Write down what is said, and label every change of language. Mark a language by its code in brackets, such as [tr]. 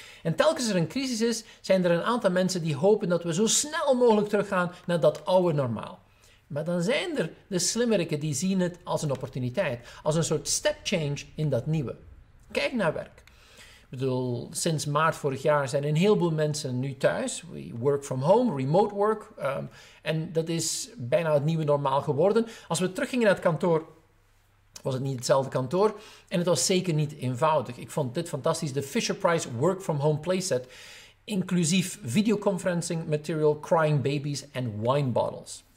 [nl] En telkens er een crisis is, zijn er een aantal mensen die hopen dat we zo snel mogelijk teruggaan naar dat oude normaal. Maar dan zijn er de slimmerikken die zien het als een opportuniteit, als een soort [en] step change [nl] in dat nieuwe. Kijk naar werk. Ik bedoel, sinds maart vorig jaar zijn een heleboel mensen nu thuis. [en] We work from home, remote work. [nl] En dat is bijna het nieuwe normaal geworden. Als we teruggingen naar het kantoor, was het niet hetzelfde kantoor. En het was zeker niet eenvoudig. Ik vond dit fantastisch. De Fisher-Price Work from Home playset. Inclusief [en] videoconferencing material, crying babies en wine bottles.